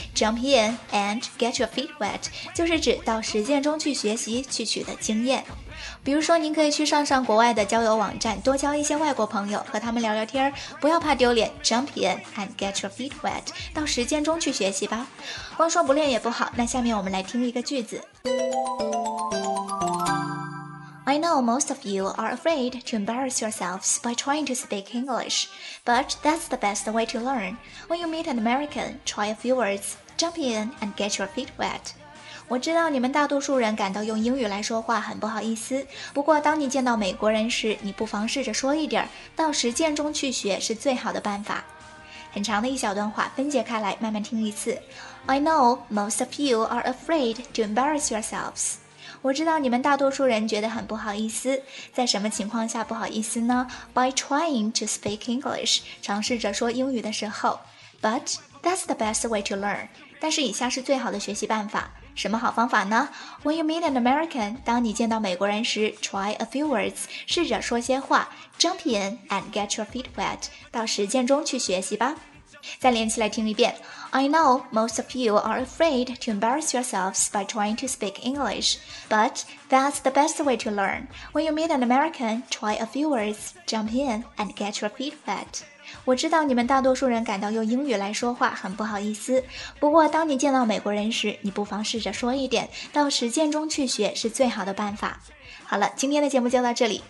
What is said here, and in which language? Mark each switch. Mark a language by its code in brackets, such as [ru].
[en] Jump in and get your feet wet [zh] 就是指到实践中去学习，去取得经验。比如说您可以去上上国外的交友网站，多交一些外国朋友，和他们聊聊天，不要怕丢脸。 [en] Jump in and get your feet wet， [zh] 到实践中去学习吧。光说不练也不好，那下面我们来听一个句子。 [en] I know most of you are afraid to embarrass yourselves by trying to speak English, but that's the best way to learn. When you meet an American, try a few words, jump in, and get your feet wet. [zh] 我知道你们大多数人感到用英语来说话很不好意思，不过当你见到美国人时，你不妨试着说一点，到实践中去学是最好的办法。很长的一小段话，分解开来慢慢听一次。 [en] I know most of you are afraid to embarrass yourselves. [zh] 我知道你们大多数人觉得很不好意思，在什么情况下不好意思呢？ [en] By trying to speak English， [zh] 尝试着说英语的时候。 [en] But that's the best way to learn， [zh] 但是以下是最好的学习办法。什么好方法呢？ [en] When you meet an American， [zh] 当你见到美国人时， [en] try a few words， [zh] 试着说些话。 [en] Jump in and get your feet wet， [zh] 到实践中去学习吧。再连起来听一遍。 [en] I know most of you are afraid to embarrass yourselves by trying to speak English, but that's the best way to learn. When you meet an American, try a few words, jump in, and get your feet wet. [zh] 我知道你们大多数人感到用英语来说话很不好意思，不过当你见到美国人时，你不妨试着说一点，到实践中去学是最好的办法。好了，今天的节目就到这里。